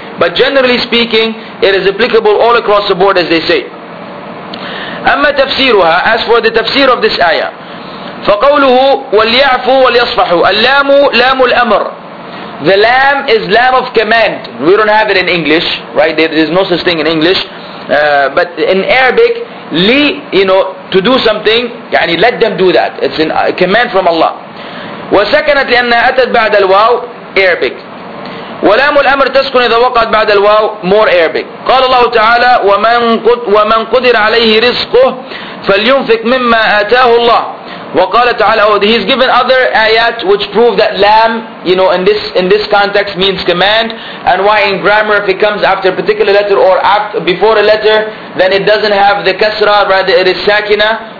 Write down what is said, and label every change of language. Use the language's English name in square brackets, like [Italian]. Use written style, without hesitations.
[English] But generally speaking, it is applicable all across the board, as they say. [Arabic] أما تفسيرها, [English] as for the tafsir of this ayah, [Arabic] فقوله وليعفو وليصفحو, اللام لام الأمر. [English] The lam is lam of command. We don't have it in English, right? There is no such thing in English, but in Arabic, li, you know, to do something, يعني let them do that. It's a command from Allah. [Arabic] وسكنت لأنها أتت بعد الواو, Arabic. ولام الأمر تسكن إذا وقعت بعد الواو, [English] more Arabic. [Arabic] قال الله تعالى ومن قدر عليه رزقه فلينفق مما آتاه الله. وقال تعالى, [English] oh, he's given other ayat which prove that lam, you know, in this context means command, and why in grammar if it comes after a particular letter or before a letter, then it doesn't have the kasra, rather it is sakina.